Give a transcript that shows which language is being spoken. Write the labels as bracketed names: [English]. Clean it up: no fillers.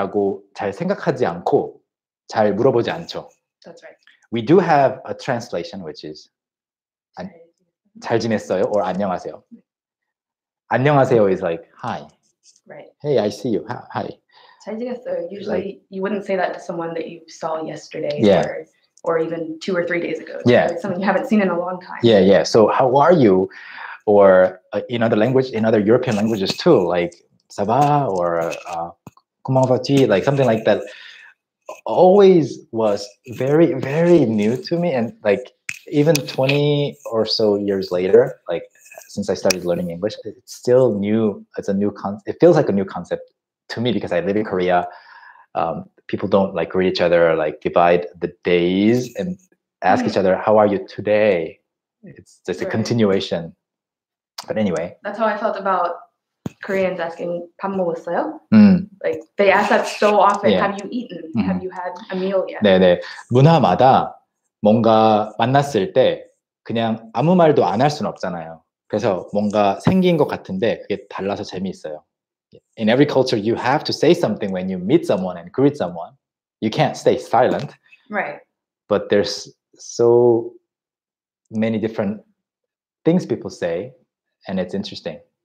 [Korean] 라고 잘 생각하지 않고 잘 물어보지 않죠. [English] That's right. We do have a translation, which is [Korean] 잘 지냈어요? [English] Or [Korean] 안녕하세요. 안녕하세요 [English] is like, hi. Right. Hey, I see you. Hi. [Korean] 잘 지냈어요. [English] Usually, like, you wouldn't say that to someone that you saw yesterday, yeah. or even 2 or 3 days ago. Yeah. Like someone you haven't seen in a long time. Yeah, yeah. So, how are you? Or in other language, in other European languages too, like [French] ça va [English] or [French] comment vas-tu, [English] like something like that, always was very, very new to me. And like even 20 or so years later, like since I started learning English, it's still new. It feels like a new concept. To me, because I live in Korea, people don't like greet each other, like divide the days and ask each other, how are you today? It's just a continuation. But anyway. That's how I felt about Koreans asking, [Korean] 밥 먹었어요? [English] Mm. Like, they ask that so often, yeah. Have you eaten? Mm-hmm. Have you had a meal yet? [Korean] 네네. 문화마다 뭔가 만났을 때 그냥 아무 말도 안 할 순 없잖아요. 그래서 뭔가 생긴 것 같은데 그게 달라서 재미있어요. [English] In every culture, you have to say something when you meet someone and greet someone. You can't stay silent. Right. But there's so many different things people say, and it's interesting.